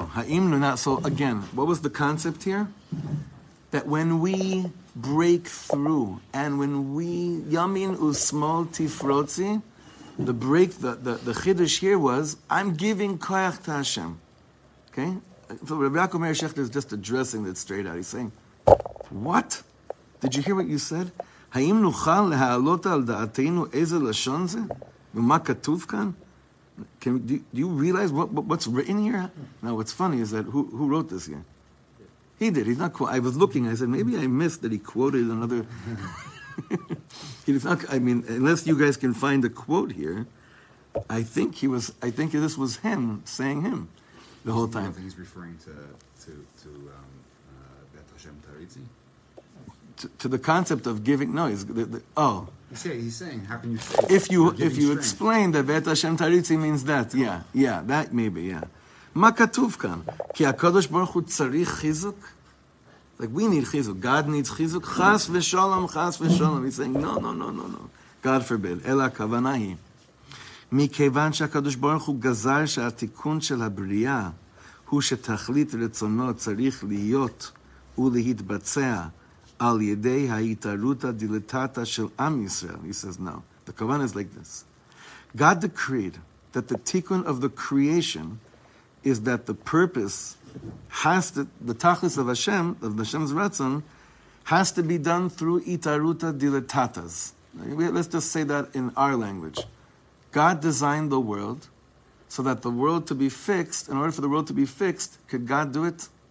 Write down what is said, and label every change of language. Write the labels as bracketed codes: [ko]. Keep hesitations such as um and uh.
[en] Ha'im not So again, what was the concept here? That when we break through and when we, [he] yamin usmol tifrotzi, [en] the break, the, the, the chiddush here was, I'm giving koyach to Hashem. Okay? So Rabbi Yaakov Meir Shechter is just addressing that straight out. He's saying, what? Did you hear what you said? [he] האם נוכל להעלות על דעתנו איזה לשון זה? ומה כתוב כאן? [en] Can, do, do you realize what, what, what's written here? Now, what's funny is that who, who wrote this here? He did. He's not. Qu- I was looking. I said maybe I missed that he quoted another. he does not. I mean, unless you guys can find a quote here, I think he was. I think this was him saying him the whole I time. think he's referring to to to um, uh, Bet Hashem Taritzi. To, to the concept of giving. No, he's. The, the, oh, He's saying, he's saying, how can you say if you You're giving if you strength. explain that Bet Hashem Taritzi means that, yeah, yeah, that maybe, yeah. [he] מה כתוב כאן? כי הקדוש ברוך הוא צריך חיזוק? [en] Like we need chizuk. God needs chizuk. Chas v'shalom, chas v'shalom. He's saying, no, no, no, no, no. God forbid. [he] אלא הכוונה היא, מכיוון שהקדוש ברוך הוא גזר שהתיקון של הבריאה הוא שתכלית רצונו צריך להיות ולהתבצע על ידי ההתערותא דילטטה של עם ישראל. [en] He says, no. The כוונה is like this. God decreed that the tikkun of the creation is that the purpose has to, the tachlis of Hashem, of Hashem's Ratzon, has to be done through itaruta dilatatas. Let's just say that in our language. God designed the world so that the world to be fixed, in order for the world to be fixed, could God do it?